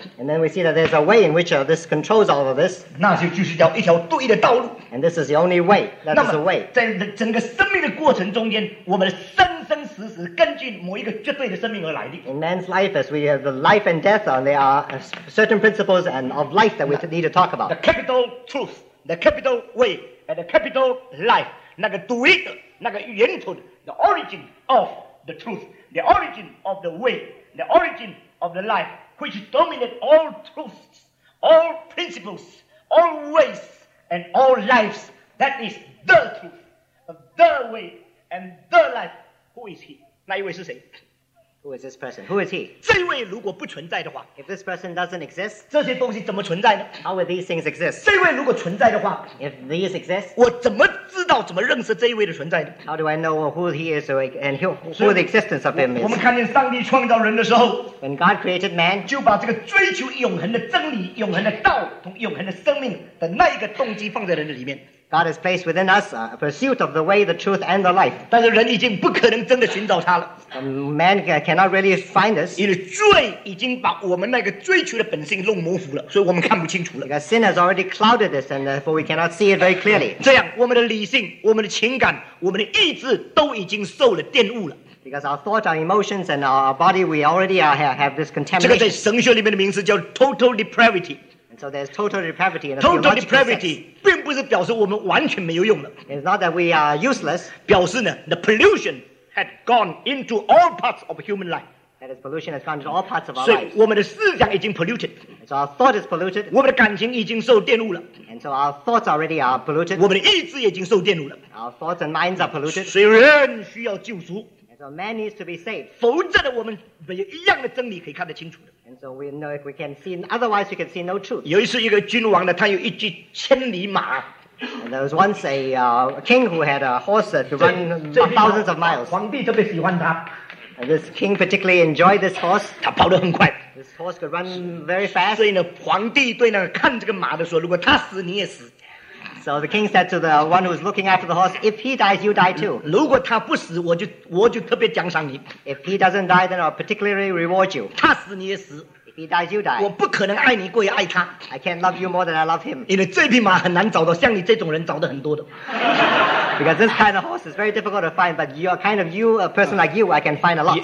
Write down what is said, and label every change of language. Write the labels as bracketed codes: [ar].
[en] And then we see that there's a way in which this controls all of this. [zh] 那就是叫一条对的道路。 [en] And this is the only way. That is the way. [zh] 在整个生命的过程中间，我们的生生死死根据某一个绝对的生命而来的。 [en] In man's life, as we have the life and death, there are certain principles and of life that we need to talk about. The capital truth. The capital way and the capital life, [zh] 那个独一的，那个源头的 [en] the origin of the truth, the origin of the way, the origin of the life, which dominate all truths, all principles, all ways, and all lives, that is the truth, the way, and the life, who is he? [zh] 那一位是谁？ [en] Who is this person? Who is he? [zh] 这位如果不存在的话 [en] If this person doesn't exist, [zh] 这些东西怎么存在呢 [en] How would these things exist? [zh] 这位如果存在的话 [en] If these exist, [zh] 我怎么知道怎么认识这一位的存在呢 [en] How do I know who he is and who the existence of him is? [zh] 我们看见上帝创造人的时候 [en] When God created man, [zh] 就把这个追求永恒的真理、永恒的道和永恒的生命的那一个动机放在人的里面 [en] God has placed within us a pursuit of the way, the truth, and the life. [zh] 但是人已经不可能真的寻找它了。 [en] Man cannot really find this. [zh] 因为罪已经把我们那个追求的本性弄模糊了，所以我们看不清楚了。 [en] Because sin has already clouded this, and therefore we cannot see it very clearly. [zh] 这样，我们的理性、我们的情感、我们的意志都已经受了玷污了。 [en] Because our thought, our emotions, and our body, we already have this contamination. [zh] 这个在神学里面的名字叫 total depravity. [en] So there's total depravity in a [zh] total depravity 并不是表示我们完全没有用了 [en] It's not that we are useless [zh] 表示呢 [en] the pollution had gone into all parts of human life That is pollution has gone into all parts of our [zh] 所以我们的思想已经 polluted [en] So our thought is polluted [zh] 我们的感情已经受玷污了 [en] And so our thoughts already are polluted [zh] 我们的意志已经受玷污了 [en] Our thoughts and minds are polluted [zh] 所以人需要救赎 [en] And so man needs to be saved [zh] 否则的我们没有一样的真理可以看得清楚的 [en] And so we know if we can see, otherwise we can see no truth. [zh] 有一次一个君王呢，他有一只千里马。 [en] And there was once a king who had a horse to run thousands of miles. [zh] 皇帝特别喜欢他。 [en] And this king particularly enjoyed this horse. [zh] 他跑得很快。 [en] This horse could run very fast. [zh] 所以呢，皇帝对那个看这个马的说，如果他死你也死。 [en] So the king said to the one who's looking after the horse, if he dies, you die too. [zh] 如果他不死，我就特别奖赏你。 [en] If he doesn't die, then I'll particularly reward you. [zh] 他死你也死。 [en] If he dies, you die. [zh] 我不可能爱你过于爱他。 [en] I can't love you more than I love him. [zh] 因为这匹马很难找到，像你这种人找得很多的。 [en] Because this kind of horse is very difficult to find, but you are kind of you, a person like you, I can find a lot.